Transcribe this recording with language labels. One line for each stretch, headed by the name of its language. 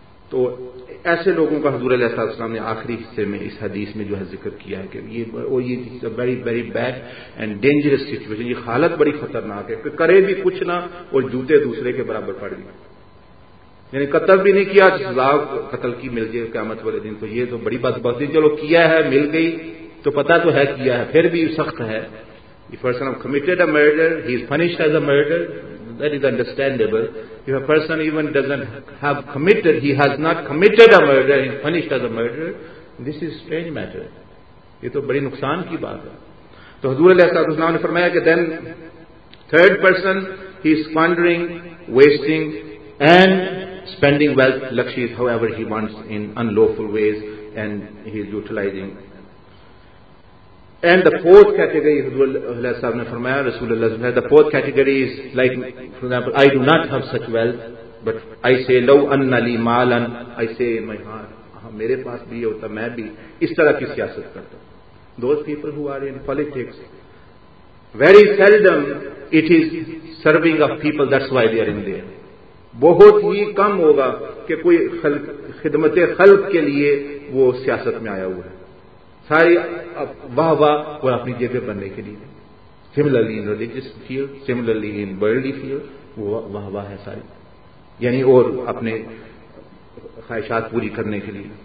Urdu: تو ایسے لوگوں کا حضور علیہ السلام نے آخری حصے میں اس حدیث میں جو ہے ذکر کیا ہے کہ یہ
English: very very bad and dangerous situation,
Urdu: یہ حالت بڑی خطرناک ہے کہ کرے بھی کچھ نہ اور جوتے دوسرے کے برابر پڑ گئے, یعنی قتل بھی نہیں کیا, سزا قتل کی مل گئی قیامت والے دن. تو یہ تو بڑی بات بات ہے, چلو کیا ہے مل گئی تو پتا تو ہے کیا ہے, پھر بھی سخت ہے.
English: If a person has committed a murder, he is punished as a murderer, that is understandable. If a person even doesn't have committed, he has not committed a murder, he is punished as a murderer, this is strange matter.
Urdu: یہ تو بڑی نقصان کی بات ہے. تو حضور علیہ السلام نے فرمایا کہ
English: then third person, he is squandering, wasting and spending wealth, luxuries however he wants in unlawful ways and he is utilizing. And the fourth category,
Urdu: Hazrat Sahab ne farmaya,
English: Rasulullah said, the fourth category is like, for example, I do not have such wealth, but I say,
Arabic: لو أن لي مالا,
English: I say, my heart,
Urdu: میرے پاس بھی ہوتا, میں بھی اس طرح کی سیاست کرتا.
English: Those people who are in politics, very seldom it is serving of people, that's why they are in there.
Urdu: بہت ہی کم ہوگا کہ کوئی خدمت خلق کے لیے وہ سیاست میں آیا ہوا ہے, ساری واہ واہ وہ اپنی جیبیں بننے کے لیے.
English: similarly in religious field, similarly in worldly field,
Urdu: وہ واہ واہ ہے ساری, یعنی اور اپنے خواہشات پوری کرنے کے لیے.